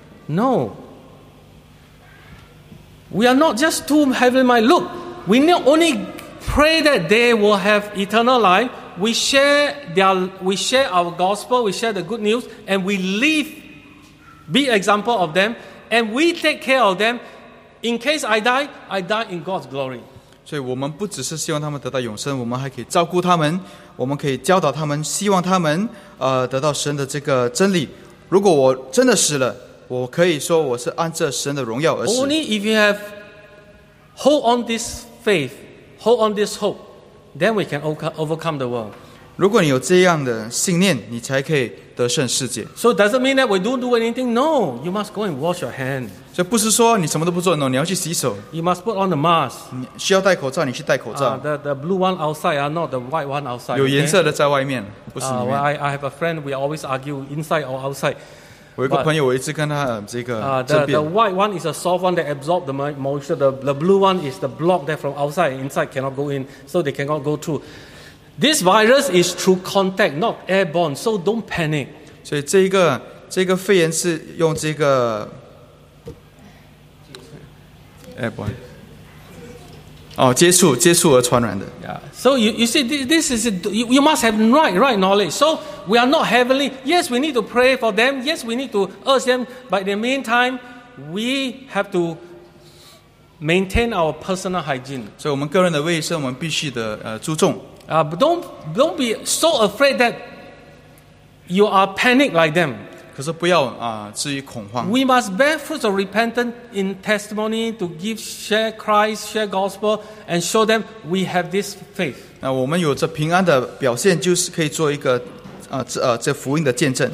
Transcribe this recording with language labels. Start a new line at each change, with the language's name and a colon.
English: No, we are not just too heavenly minded. Look, we not only pray that they will have eternal life. We share our gospel. We share the good news, and we live, be example of them, and we take care of them. In case I die in God's glory.
Chinese: 所以我们不只是希望他们得到永生，我们还可以照顾他们。我们可以教导他们，希望他们得到神的这个真理。如果我真的死了，我可以说我是按着神的荣耀而死。
English: Only if you have hold on this faith, hold on this hope, then we can overcome the world.
Chinese: 如果你有这样的信念，你才可以得胜世界。
English: So doesn't mean that we don't do anything. No, you must go and wash your hand.
Chinese: 所以不是说你什么都不做，
English: no,
Chinese: 你要去洗手。
English: You must put on the mask.
Chinese: 你需要戴口罩，你去戴口罩。
English: The blue one outside are not the white one outside.
Chinese: 有颜色的在外面，不是里面。
English: Well, I have a friend. We always argue inside or outside.
Chinese: 我有个朋友，我一直跟他这个争辩。
English: The white one is a soft one that absorbs the moisture. The blue one is the block that from outside inside cannot go in, so they cannot go through. This virus is through contact, not airborne, so don't panic.
Chinese: 所以这个肺炎是用这个 airborne. 接触而传染的。
English: So you see, this is you must have right knowledge. So we are not heavenly. Yes, we need to pray for them. Yes, we need to urge them. But in the meantime, we have to maintain our personal hygiene.
Chinese: 所以我们个人的卫生，我们必须的注重。
English: But don't be so afraid that you are panicked like them.
Chinese: 可是不要至于恐慌。
English: We must bear fruits of repentance in testimony to share Christ, share gospel, and show them we have this faith.
Chinese: 那我们有着平安的表现，就是可以做一个这福音的见证。